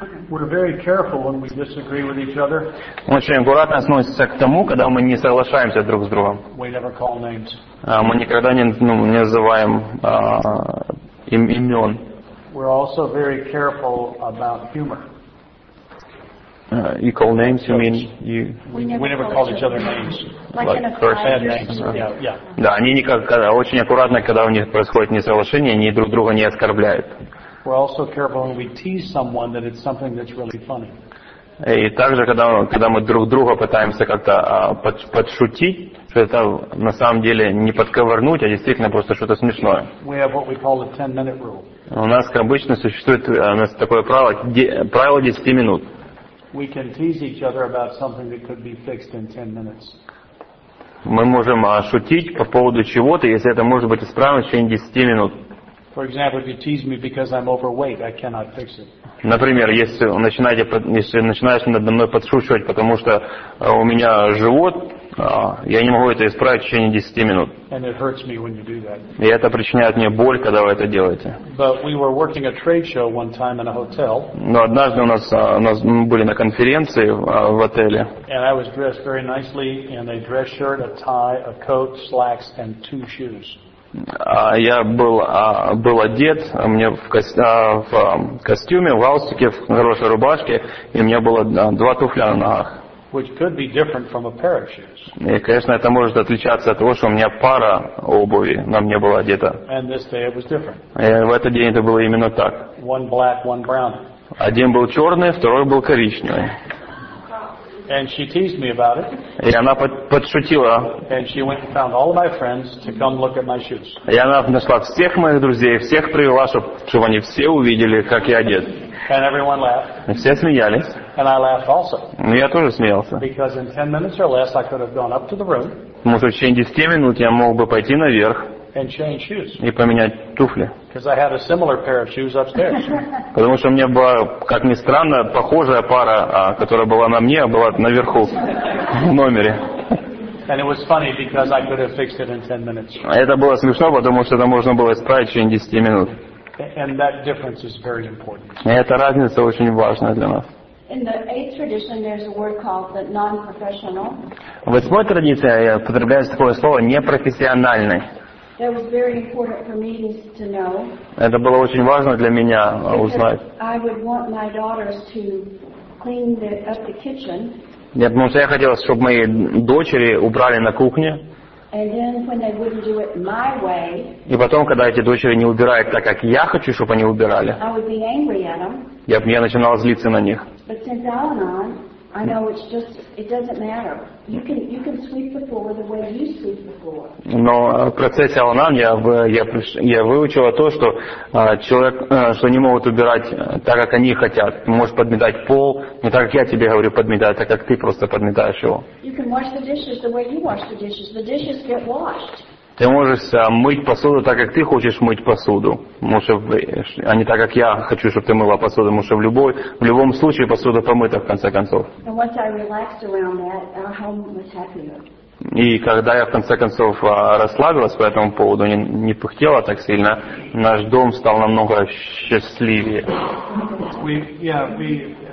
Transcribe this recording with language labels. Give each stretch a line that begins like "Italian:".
English: We're very careful when we disagree with each other.
Russian: Мы очень аккуратно относимся к тому, когда мы не соглашаемся друг с другом.
English: We never call names.
Russian: Мы никогда не, ну, не называем имен.
English: We're also very careful about humor. You call names, you mean you... We never call each other names. Like in a bad name.
Russian: Да, они никогда, очень аккуратно, когда у них происходит несоглашение, они друг друга не оскорбляют.
English: We're also careful when we tease someone that it's something that's really funny.
Russian: И также, когда мы друг друга пытаемся как-то подшутить, что это на самом деле не подковырнуть, а действительно просто что-то смешное.
English: We have what we call the 10-minute rule.
Russian: У нас, как обычно, существует такое правило 10 минут.
English: We can tease each other about something that could be fixed in 10 minutes.
Russian: Мы можем шутить по поводу чего-то, если это может быть исправлено в течение 10 минут.
English: For example, if you tease me because I'm overweight, I cannot fix it.
Russian: Например, если начинаешь надо мной подшучивать, потому что у меня живот, я не могу это исправить в течение 10 минут.
English: And it hurts me when you do that.
Russian: И это причиняет мне боль, когда вы это делаете.
English: But we were working a trade show one time in a hotel.
Russian: Но однажды у нас мы были на конференции в отеле.
English: And I was dressed very nicely in a dress shirt, a tie, a coat, slacks, and two shoes.
Russian: Я был одет, у меня в костюме, в галстуке, в хорошей рубашке, и у меня было два туфля на ногах.
English: Which could be different from a pair of shoes.
Russian: И, конечно, это может отличаться от того, что у меня пара обуви на мне была одета.
English: And this day it was different.
Russian: И в этот день это было именно так.
English: One black, one brown.
Russian: Один был черный, второй был коричневый.
English: And she teased me about it.
Russian: И она подшутила.
English: And she went and found all of my friends to come look at my shoes.
Russian: И она нашла всех моих друзей, всех привела, чтобы они все увидели, как я одет.
English: And everyone laughed.
Russian: И все смеялись.
English: And I laughed also.
Russian: И я тоже смеялся.
English: Because in 10 minutes or less, I could have gone up to the room.
Russian: Потому что в течение 10 минут я мог бы пойти наверх.
English: And change shoes.
Russian: И поменять туфли.
English: Because I had a similar pair of shoes upstairs.
Russian: Потому что у меня была, как ни странно, похожая пара, которая была на мне, была наверху в номере.
English: And it was funny because I could have fixed it in 10 minutes.
Russian: Это было смешно, потому что это можно было исправить в течение 10 минут.
English: And that difference is very important.
Russian: И эта разница очень важна для нас.
English: In the eighth tradition, there's a word called the non-professional.
Russian: В восьмой традиции употребляется такое слово непрофессиональный.
English: That was very important for me to know.
Russian: Это было очень важно для меня узнать.
English: I would want my daughters to clean up the kitchen.
Russian: Нет, потому что я хотел, чтобы мои дочери убрали на кухне.
English: And then when they wouldn't do it my way.
Russian: И потом, когда эти дочери не убирают так, как я хочу, чтобы они убирали.
English: I would be angry at them.
Russian: Я начинал злиться на них.
English: But since Al-Anon, I know it doesn't matter. You can sweep the floor the way you sweep the floor.
Russian: Но в процессе Аланан я выучила то, что человек, что не могут убирать так, как они хотят. Ты можешь подметать пол, не так, как я тебе говорю подметать, а как ты просто подметаешь его.
English: You can wash the dishes the way you wash the dishes. The dishes get washed.
Russian: Ты можешь мыть посуду так, как ты хочешь мыть посуду, а не так, как я хочу, чтобы ты мыла посуду, потому что в любом случае посуда помыта, в конце концов.
English: That,
Russian: и когда я, в конце концов, расслабилась по этому поводу, не пыхтела так сильно, наш дом стал намного счастливее.